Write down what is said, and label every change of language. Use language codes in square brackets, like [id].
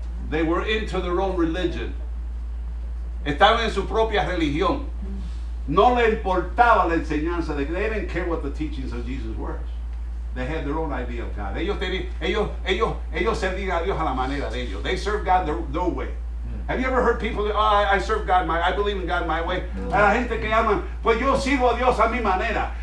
[en] They were into their own religion. [es] Estaban en su propia religión. No le importaba la enseñanza de que [en] they didn't care what the teachings of Jesus were. They had their own idea of God. [es] Ellos servían a Dios a la manera de ellos. [en] They served God their way. Have you ever heard people say, oh, I serve God my, I believe in God my way. [es] A la gente que llaman, pues yo sirvo a Dios a mi manera.